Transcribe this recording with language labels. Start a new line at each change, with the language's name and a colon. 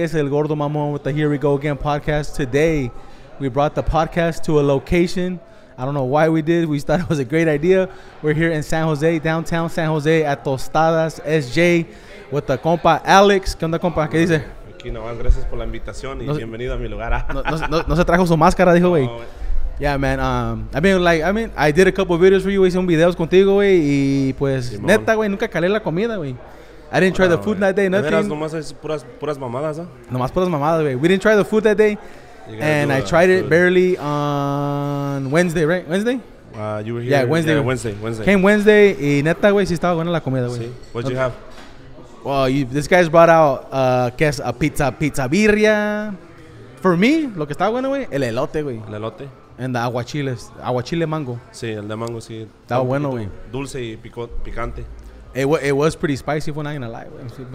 English: It's El Gordo Mamon with the Here We Go Again podcast. Today, we brought the podcast to a location. I don't know why we did. We just thought it was a great idea. We're here in San Jose, downtown San Jose, at Tostadas SJ with the compa Alex.
Spanish: ¿Qué onda, compa? ¿Qué dice? Aquí no, gracias por la invitación y bienvenido a mi lugar. No se trajo su máscara, dijo, güey. Yeah, man.
English: I did a couple of videos for you.
Spanish: Hice un videos contigo, güey. Y pues, Simón. Neta, güey, nunca calé la comida, güey.
English: I didn't try the food that day, nothing.
Spanish: Nomás es puras mamadas, ¿eh? Nomás puras mamadas, güey.
English: We didn't try the food that day. And I tried it barely on Wednesday, right? Wednesday? You were here. Yeah, Wednesday. Yeah, Wednesday. Came Wednesday,
Spanish: y neta, güey, sí estaba buena la comida, güey. Sí.
English: What'd you have? Well, this guy's brought out, a pizza birria. For me,
Spanish: lo que estaba bueno, güey, el elote, güey. El elote.
English: And the aguachiles. Aguachile mango.
Spanish: Sí, el de mango, sí. Estaba bueno, güey. Dulce y picante.
English: It was pretty spicy, if I'm not gonna lie, güey.